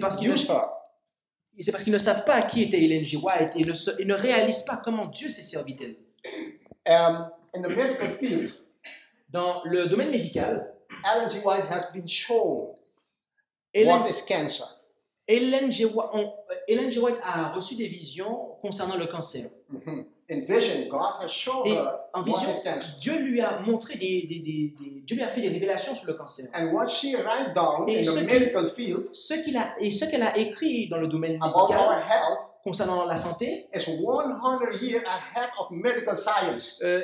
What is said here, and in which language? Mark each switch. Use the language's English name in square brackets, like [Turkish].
[French] parce qu'ils ne savent pas qui était Ellen G. White et ne réalisent pas comment Dieu s'est servi d'elle. [English] In the medical field, [French] dans le domaine médical, [English] Ellen G. White has been shown what is cancer. [French] Ellen G. White a reçu des visions concernant le cancer. [English] In vision, God has shown her what vision, is cancer. [French] Dieu lui a montré Dieu lui a fait des révélations sur le cancer. [English] And what she write down in the medical field, [French] ce qu'elle a écrit dans le domaine [English] about [French] médical, [English] our health, [French] concernant la santé, [English] is 100 years ahead of medical science.